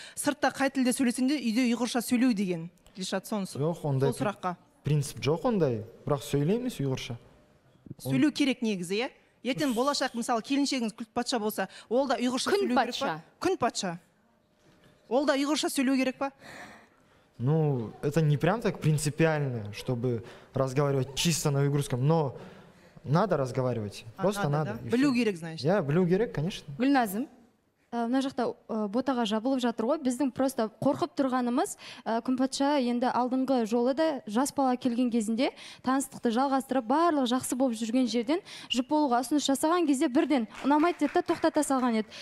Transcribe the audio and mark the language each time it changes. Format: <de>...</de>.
<kk>Сыртта қай тілде сөйлесең де үйде ұйғырша сөйлеу деген. Дилшат, сол сұраққа. Принцип жоқ ондай, бірақ сөйлейміз ұйғырша. Сөйлеу керек негізі, иә? Ертен болашақ, мысалы, келіншегіңіз күлт патша болса, ол да ұйғырша сөйлеу керек па? Күн патша. Ол да ұйғырша сөйлеу керек па?</kk> <ru>Ну, это не прям так принципиально, чтобы разговаривать чисто на уйгурском, но надо разговаривать, просто надо.</ru> <kk>Да? Білу керек,</kk> <ru>знаешь?</ru> <kk>Я білу керек,</kk> <ru>конечно.</ru> <kk>Гүлназым, мына жақта ботаға жабылып жатыр ғой, біздің просто қорқып тұрғанымыз, күн патша енді алдыңғы жолы да жас бала келген кезінде таныстықты жалғастырып, барлығы жақсы болып жүрген жерден жұп болуға ұсыныс жасаған кезде бірден ұнамайды деп та тоқтата салған еді.</kk>